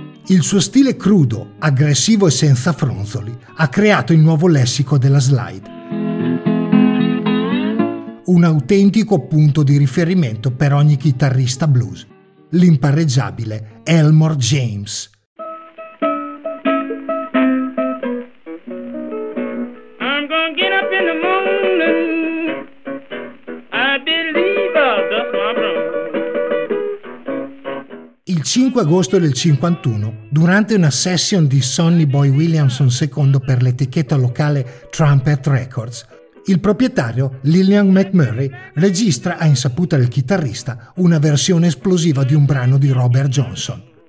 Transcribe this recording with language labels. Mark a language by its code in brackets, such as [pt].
[it] Il suo stile crudo, aggressivo e senza fronzoli ha creato il nuovo lessico della slide, un autentico punto di riferimento per ogni chitarrista blues, l'impareggiabile Elmore James. [en] I'm gonna get up in the morning. I believe I'll dust my room. [it] Il 5 agosto del 51, durante una session di Sonny Boy Williamson II per l'etichetta locale Trumpet Records, il proprietario Lillian McMurray registra, a insaputa del chitarrista, una versione esplosiva di un brano di Robert Johnson.